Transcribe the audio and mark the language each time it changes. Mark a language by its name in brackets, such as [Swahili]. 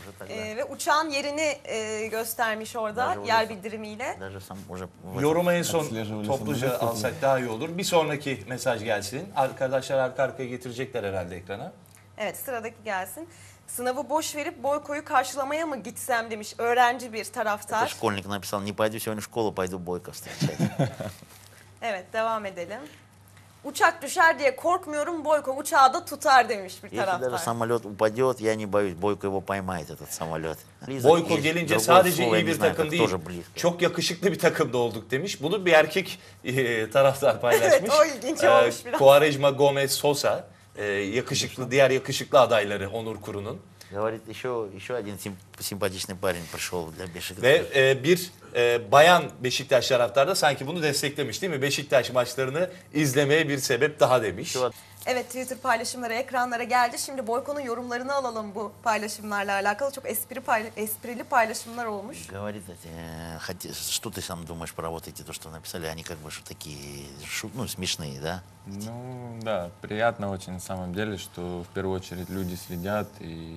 [Turkish] Ve uçağın yerini göstermiş orada yer bildirimiyle. Yorumu en son topluca alsak daha iyi olur. Bir sonraki mesaj gelsin. Arkadaşlar arka arkaya getirecekler herhalde ekrana. Evet, sıradaki gelsin. Sınavı boş verip Boyko'yu karşılamaya mı gitsem demiş öğrenci bir taraftar. [Russian] Школьник написал: "Не пойду сегодня в школу, пойду Boyko встречать". [Turkish] Evet, devam edelim. Uçak düşer diye korkmuyorum, Boyko uçağı da tutar demiş bir taraftar. [Russian] Если самолёт упадёт, я не боюсь, Boyko его поймает этот самолёт. [Turkish] Boyko gelince sadece iyi bir takım değil, çok yakışıklı bir takımda olduk demiş. Bunu bir erkek taraftar paylaşmış. Evet, o ilginç olmuş biraz. Quaresma Gomez Sosa. Yakışıklı, diğer yakışıklı adayları Onur Kuru'nun. [Russian] Говорит, еще один симпатичный парень пришел для Beşiktaş. [Turkish] Ve bir bayan Beşiktaş taraftarı da sanki bunu desteklemiş değil mi? Beşiktaş maçlarını izlemeye bir sebep daha demiş. Evet, Twitter paylaşımları ekranlara geldi. Şimdi Boyko'nun yorumlarını alalım bu paylaşımlarla alakalı. Çok esprili paylaşımlar olmuş. [Russian] Говорит, что ты сам думаешь про вот эти, то, что написали? Они как бы что такие, ну, смешные, да? Ну, да, приятно очень на самом деле, что в первую очередь люди следят и